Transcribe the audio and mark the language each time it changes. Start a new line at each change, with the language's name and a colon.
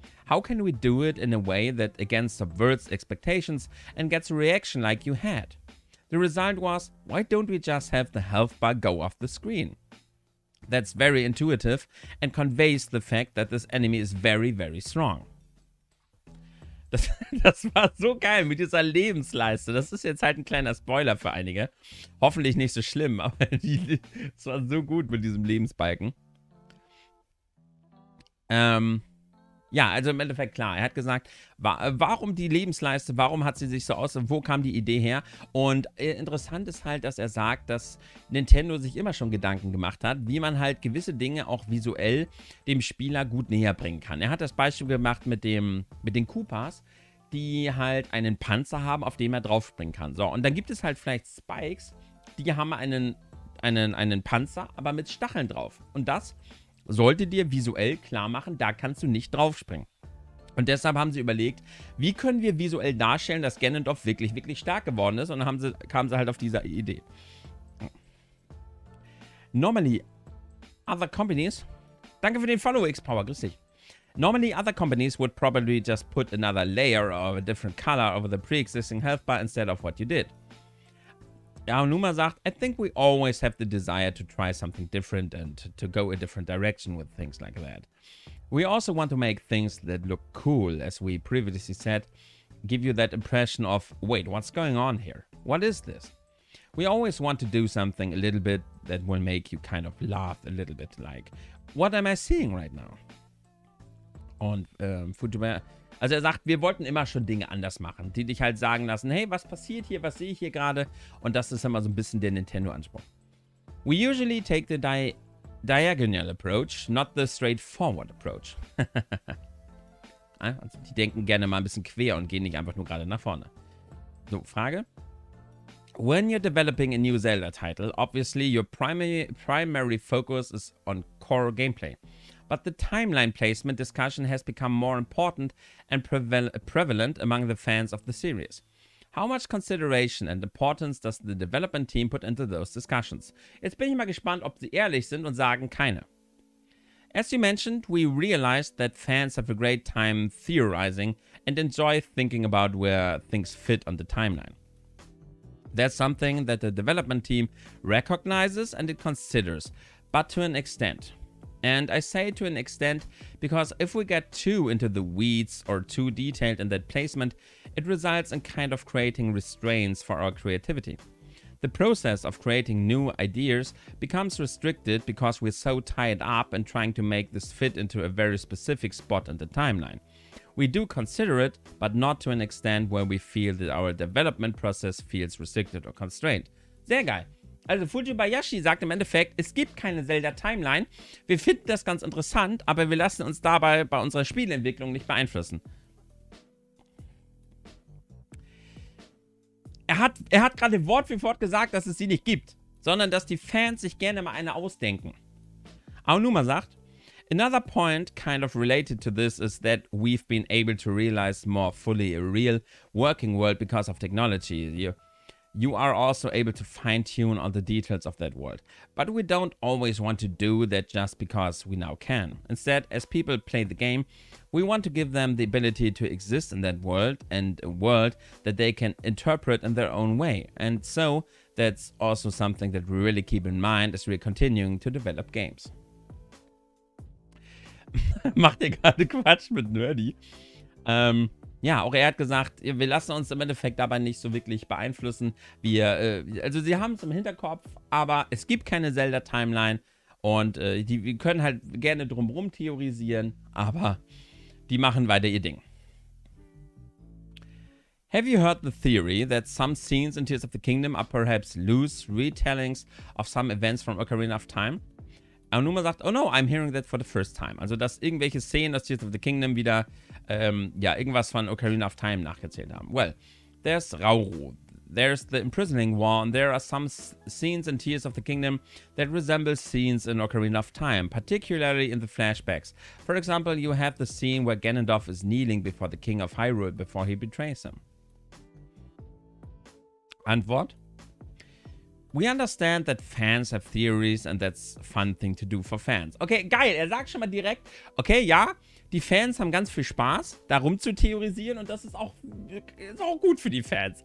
English: How can we do it in a way that again subverts expectations and gets a reaction like you had? The result was, why don't we just have the health bar go off the screen? That's very intuitive and conveys the fact that this enemy is very, very strong.
German: Das war so geil mit dieser Lebensleiste. Das ist jetzt halt ein kleiner Spoiler für einige. Hoffentlich nicht so schlimm, aber es war so gut mit diesem Lebensbalken. Ja, also im Endeffekt klar, er hat gesagt, warum die Lebensleiste, warum hat sie sich so aus, wo kam die Idee her? Und interessant ist halt, dass er sagt, dass Nintendo sich immer schon Gedanken gemacht hat, wie man halt gewisse Dinge auch visuell dem Spieler gut näher bringen kann. Er hat das Beispiel gemacht mit den Koopas, die halt einen Panzer haben, auf dem er draufspringen kann. So, und dann gibt es halt vielleicht Spikes, die haben einen Panzer, aber mit Stacheln drauf. Und das sollte dir visuell klar machen, da kannst du nicht draufspringen. Und deshalb haben sie überlegt, wie können wir visuell darstellen, dass Ganondorf wirklich, wirklich stark geworden ist. Und dann kamen sie halt auf diese Idee.
English: Normally, other companies...
German: Danke für den Follow, X-Power, grüß dich.
English: Normally, other companies would probably just put another layer of a different color over the pre-existing health bar instead of what you did.
German: Aonuma sagt,
English: I think we always have the desire to try something different and to go a different direction with things like that. We also want to make things that look cool, as we previously said, give you that impression of, wait, what's going on here? What is this? We always want to do something a little bit that will make you kind of laugh a little bit, like, what am I seeing right now?
German: Und also er sagt, wir wollten immer schon Dinge anders machen, die dich halt sagen lassen, hey, was passiert hier, was sehe ich hier gerade? Und das ist immer so ein bisschen der Nintendo-Anspruch.
English: We usually take the diagonal approach, not the straightforward approach.
German: Also die denken gerne mal ein bisschen quer und gehen nicht einfach nur gerade nach vorne. So, Frage.
English: When you're developing a new Zelda title, obviously your primary focus is on core gameplay. But the timeline placement discussion has become more important and prevalent among the fans of the series. How much consideration and importance does the development team put into those discussions?
German: Jetzt bin ich mal gespannt, ob sie ehrlich sind und sagen keine.
English: As you mentioned, we realized that fans have a great time theorizing and enjoy thinking about where things fit on the timeline. That's something that the development team recognizes and it considers, but to an extent. And I say to an extent, because if we get too into the weeds or too detailed in that placement, it results in kind of creating restraints for our creativity. The process of creating new ideas becomes restricted because we're so tied up in trying to make this fit into a very specific spot in the timeline. We do consider it, but not to an extent where we feel that our development process feels restricted or constrained.
German: Sehr geil. Also Fujibayashi sagt im Endeffekt, es gibt keine Zelda-Timeline. Wir finden das ganz interessant, aber wir lassen uns dabei bei unserer Spielentwicklung nicht beeinflussen. Er hat gerade Wort für Wort gesagt, dass es sie nicht gibt, sondern dass die Fans sich gerne mal eine ausdenken. Aonuma sagt,
English: another point kind of related to this is that we've been able to realize more fully a real working world because of technology. You are also able to fine-tune on the details of that world. But we don't always want to do that just because we now can. Instead, as people play the game, we want to give them the ability to exist in that world and a world that they can interpret in their own way. And so, that's also something that we really keep in mind as we're continuing to develop games.
German: Macht ihr gerade Quatsch mit Nerdy? Ja, auch er hat gesagt, wir lassen uns im Endeffekt dabei nicht so wirklich beeinflussen. Wir, also sie haben es im Hinterkopf, aber es gibt keine Zelda-Timeline und wir können halt gerne drumherum theorisieren, aber die machen weiter ihr Ding.
English: Have you heard the theory that some scenes in Tears of the Kingdom are perhaps loose retellings of some events from Ocarina of Time?
German: Aonuma sagt,
English: oh no, I'm hearing that for the first time.
German: Also, dass irgendwelche Szenen aus Tears of the Kingdom wieder ja, irgendwas von Ocarina of Time nachgezählt haben.
English: Well, there's Rauru, there's the imprisoning war, and there are some scenes in Tears of the Kingdom that resemble scenes in Ocarina of Time, particularly in the flashbacks. For example, you have the scene where Ganondorf is kneeling before the King of Hyrule before he betrays him.
German: Antwort?
English: We understand that fans have theories and that's a fun thing to do for fans.
German: Okay, geil. Er sagt schon mal direkt, okay, ja, die Fans haben ganz viel Spaß, darum zu theorisieren und das ist auch gut für die Fans.